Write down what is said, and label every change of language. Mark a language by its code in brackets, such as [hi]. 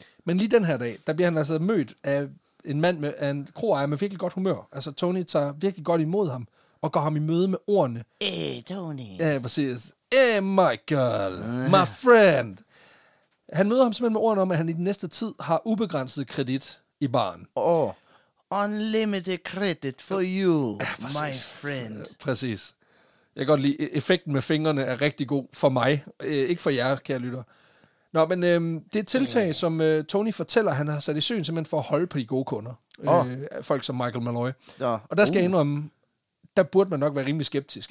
[da] Men lige den her dag, der bliver han altså mødt af... En mand med en kroejer med virkelig godt humør. Altså, Tony tager virkelig godt imod ham, og går ham i møde med ordene. [en] Hey, Tony. [da] Ja, præcis. [en] Hey, Michael. My friend. [da] Han møder ham simpelthen med ordene om, at han i den næste tid har ubegrænset kredit i baren. [en] Unlimited credit for you, my friend. [da] Præcis. Jeg kan godt lide, effekten med fingrene er rigtig god for mig. Ikke for jer, kære lytter. Nå, men det er et tiltag, som Tony fortæller, han har sat i søen, simpelthen for at holde på de gode kunder. Folk som Michael Malloy. Ja. Og der skal jeg indrømme, der burde man nok være rimelig skeptisk.